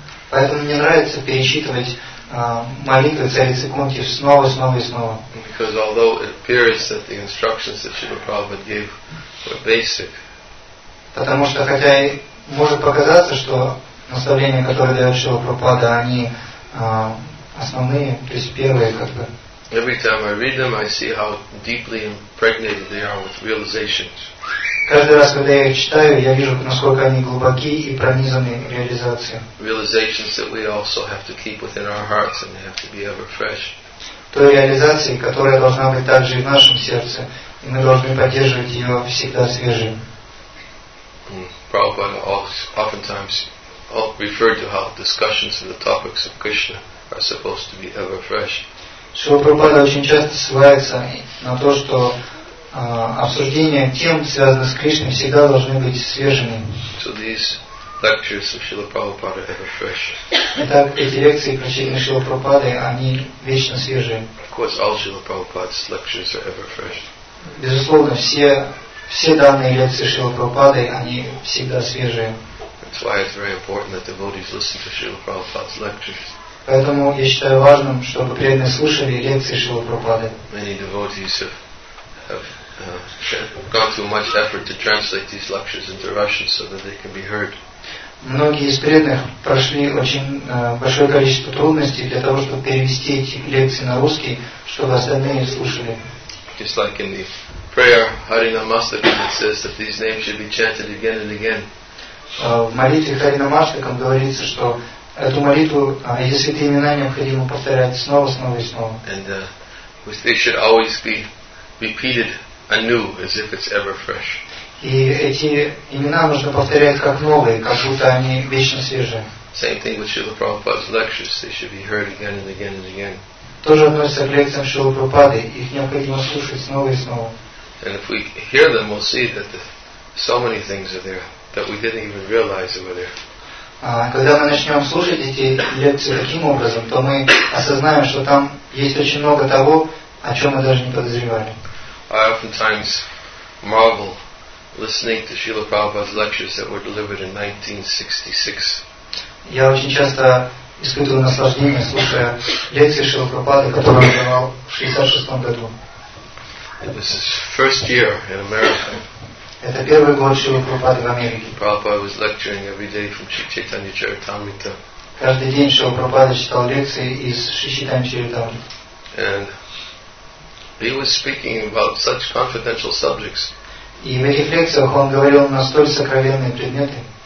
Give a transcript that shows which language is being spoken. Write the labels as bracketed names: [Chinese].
[Russian] Поэтому мне нравится перечитывать молитвы царицы Кунти снова, снова и снова. [English] Because although it appears that the instructions that Srila Prabhupada gave were basic. [Russian] Потому что хотя и может показаться, что наставления, которые дает Шрила Прабхупада, они основные, то есть первые как бы. [English] Every time I read them, I see how deeply impregnated they are with realizations. [Russian] Каждый раз, когда я их читаю, я вижу, насколько они глубоки и пронизаны реализацией. [English] Realizations that we also have to keep within our hearts and they have to be ever fresh. [Russian] Той реализации, которая должна быть также и в нашем сердце, и мы должны поддерживать ее всегда свежей. [English] Prabhupada oftentimes referred to how discussions of the topics of Krishna are supposed to be ever fresh. [Russian] Шрила Прабхупада очень часто ссылается на то, что обсуждения тем, связанных с Кришной, всегда должны быть свежими. [English] So these lectures of Srila Prabhupada are ever fresh. [Russian] Итак, эти лекции, прочитанные Шрила Прабхупадой, они вечно свежие. [English] Of course, all Srila Prabhupada's lectures are ever fresh. [Russian] Безусловно, все данные лекции Шрилы Прабхупады, они всегда свежие. [English] That's why it's very important that devotees listen to Srila Prabhupada's lectures. [Russian] Поэтому я считаю важным, чтобы преданные слушали лекции Шрилы Прабхупады. [English] Many devotees have gone through much effort to translate these lectures into Russian so that they can be heard. [Russian] Многие из преданных прошли очень большое количество трудностей для того, чтобы перевести эти лекции на русский, чтобы остальные слушали. [English] Just like in the prayer Harinamastakam, it says that these names should be chanted again and again. [Russian] В молитве Харинамастакам говорится, что эту молитву, если эти имена необходимо повторять снова, снова и снова. [English] And they should always be repeated anew, as if it's ever fresh. [Russian] И эти имена нужно повторять как новые, как будто они вечно свежие. [English] Same thing with Srila Prabhupada's lectures; they should be heard again and again and again. [Russian] Тоже относится к лекциям Шрилы Прабхупады. Их необходимо слушать снова и снова. [English] And if we hear them, we'll see that so many things are there that we didn't even realize were there. [Russian] Когда мы начнем слушать эти лекции таким образом, то мы осознаем, что там есть очень много того, о чем мы даже не подозревали. [English] I oftentimes marvel listening to Srila Prabhupada's lectures that were delivered in 1966. [Russian] Я очень часто испытываю наслаждение, слушая лекции Шрилы Прабхупады, которые он давал в 66 году. [English] This is first year in America. [Russian] Это первый год Шрилы Прабхупады в Америке. [English] Prabhupada was lecturing every day from Sri Chaitanya Charitamrita. [Russian] Каждый день Шрила Прабхупада читал лекции из Шри Чайтанья Чаритамриты. [English] And he was speaking about such confidential subjects. [Russian] И в этих лекциях он говорил на столь сокровенные предметы.